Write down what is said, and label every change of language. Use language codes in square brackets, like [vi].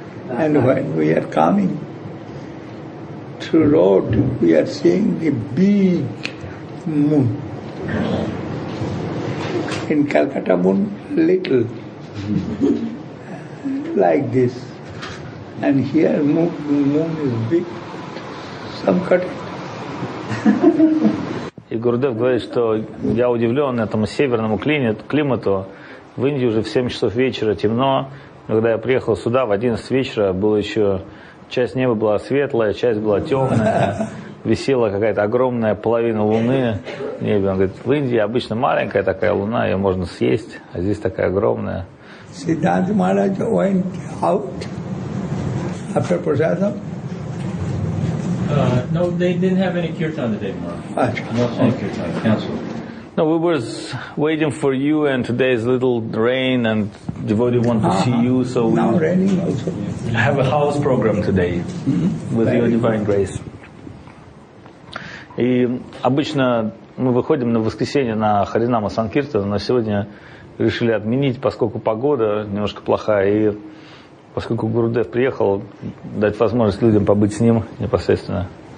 [en] And when we are coming through road, we are seeing the big moon. In Calcutta moon, little, like this. And here moon is big, some cut it. [ru] И Гурдев говорит, что я удивлен этому северному климату. В Индии уже в 7 часов вечера темно. Когда я приехал сюда, в 11 вечера было еще... Часть неба была светлая, часть была темная. Висела какая-то огромная половина луны в небе. Он говорит, в Индии обычно маленькая такая луна, ее можно съесть, а здесь такая огромная. [en] Сиддхартха Махарадж went out after prasadam. No, they didn't have any kirtan today, Maharaj. No kirtan, canceled. No, we were waiting for you, and today is little rain, and devotee want to see you, so now we raining also. Have a house program today with your divine grace. [ru] И обычно мы выходим на воскресенье на Харинама Санкиртан, но сегодня решили отменить, поскольку погода немножко плохая, и поскольку Гурудев приехал, дать возможность людям побыть с ним непосредственно.